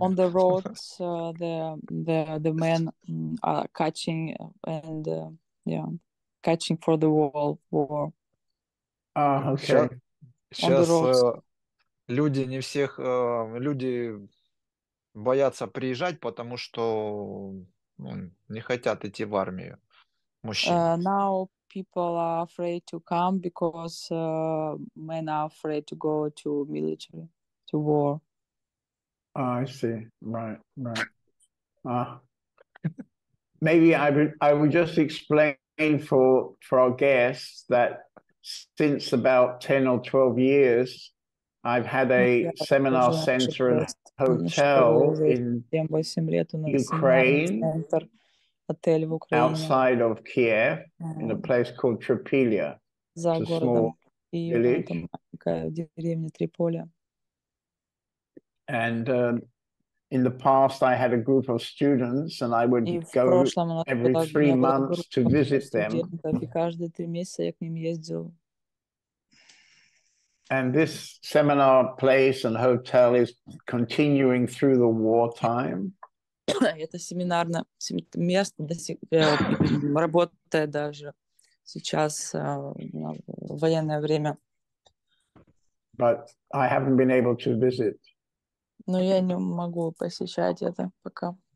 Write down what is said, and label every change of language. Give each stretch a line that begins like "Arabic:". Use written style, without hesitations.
English: On the roads, the men are catching and catching for the wall war.
Russian: Сейчас люди не всех люди боятся приезжать, потому что не хотят идти в армию.
English: Now people are afraid to come because men are afraid to go to military, to war. I see. Right. Maybe I would just explain for our guests that since about 10 or 12 years, I've had a seminar center and hotel in Ukraine.
Russian: отель в Украине.
English: Outside of Kiev, in a place called Tripolia.
Russian: За городом Киевом, там такая деревня Триполя.
English: And in the past, I had a group of students, and I would go every 3 months to visit them.
Russian: И каждые 3 месяца я к ним ездил.
English: And this seminar place and hotel is continuing through the wartime.
Russian: Это семинарное место работает даже сейчас в военное время.
English: But I haven't been able to visit.
Russian: Но я не могу посещать это пока.